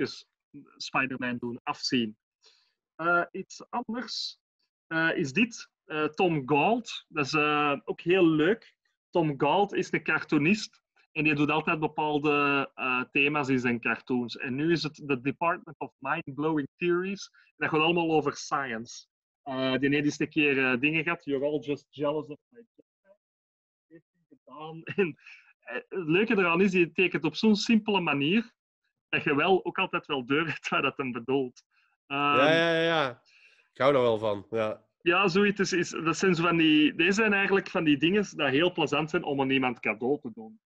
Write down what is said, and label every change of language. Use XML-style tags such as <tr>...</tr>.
<nl>Even Spider-Man doen afzien. Iets anders is dit. Tom Gold. Dat is ook heel leuk. Tom Gold is een cartoonist. En die doet altijd bepaalde thema's in zijn cartoons. En nu is het The Department of Mind-Blowing Theories. En dat gaat allemaal over science. Die heeft eens een keer dingen gehad.</nl> <en>You're all just jealous of my job.</en> <nl>Heeft hij gedaan. En het leuke eraan is, die tekent op zo'n simpele manier dat je wel ook altijd wel deur hebt waar dat hem bedoelt. Ja. Ik hou er wel van, ja. Ja, zoiets is dat zijn zo van die... Deze zijn eigenlijk van die dingen die heel plezant zijn om aan iemand cadeau te doen.</nl>